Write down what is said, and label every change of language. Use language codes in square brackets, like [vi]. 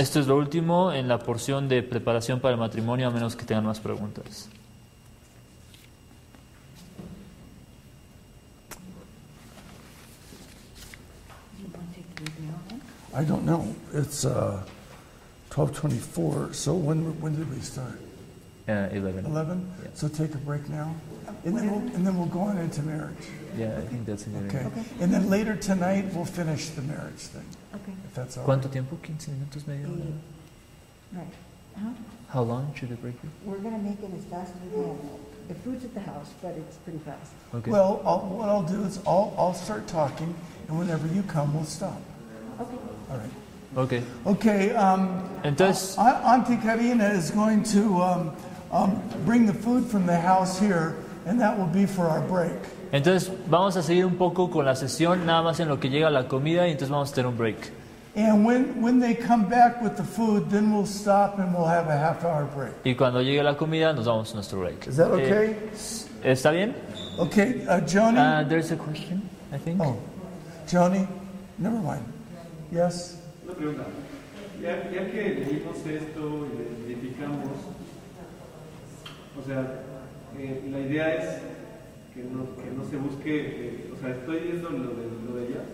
[es] Esto es lo último en la porción de preparación para el matrimonio, a menos que tengan más preguntas. [en] I don't know. It's 12:24. So when did we start? 11. 11. Yeah. So take a break now, and then we'll go on into marriage. Yeah, okay. I think that's okay. Okay. And then later tonight we'll finish the marriage thing. Okay. If that's all. [es] ¿Cuánto [en] right. [es] tiempo? 15 minutos, media hora. [en] Right. How long should the break be? We're gonna make it as fast as we can. The food's at the house, but it's pretty fast. Okay. Well, what I'll do is I'll start talking, and whenever you come, we'll stop. Okay. All right. Okay. Okay. [es] Entonces, [en] Auntie Karina is going to bring the food from the house here, and that will be for our break. [es] Entonces vamos a seguir un poco con la sesión, nada más en lo que llega la comida, y entonces vamos a tener un break. [en] And when they come back with the food, then we'll stop and we'll have a half-hour break. [es] Y cuando llegue la comida, nos damos nuestro break. [en] Is that okay? [es] ¿Está bien? [en] Okay, Joni. There's a question, I think. Oh, Joni, never mind. Yes. [es] Una pregunta. Ya que leímos esto y identificamos, o sea, la idea es que no se busque, o sea, estoy viendo lo de ella.